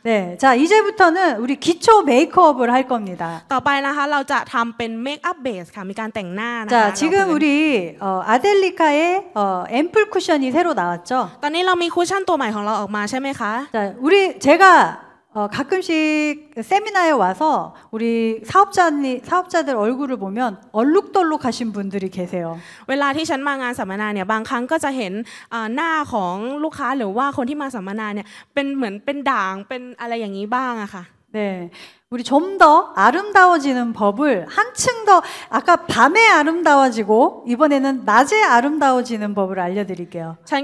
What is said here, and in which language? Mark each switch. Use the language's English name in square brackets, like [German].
[Korean] 네, 자 이제부터는 우리 기초 메이크업을 할 겁니다. [Thai] ต่อไปนะคะเราจะทำเป็นเมคอัพเบสค่ะมีการแต่งหน้านะคะ [Korean] 자 지금 우리 아델리카의 앰플 쿠션이 새로 나왔죠. [Thai] ตอนนี้เรามีคุชชั่นตัวใหม่ของเราออกมาใช่ไหมคะ [Korean] 자, 우리 제가 가끔씩 세미나에 와서 우리 사업자들 얼굴을 보면 얼룩덜룩하신 분들이 계세요. [Thai] เวลาที่ฉันมางานสัมมนาเนี่ยบางครั้งก็จะเห็นหน้าของลูกค้าหรือว่าคนที่มาสัมมนาเนี่ยเป็นเหมือนเป็นด่างเป็นอะไรอย่างนี้บ้างอะค่ะ [Korean] 네, 우리 좀 더 아름다워지는 법을 한층 더 아까 밤에 아름다워지고 이번에는 낮에 아름다워지는 법을 알려드릴게요.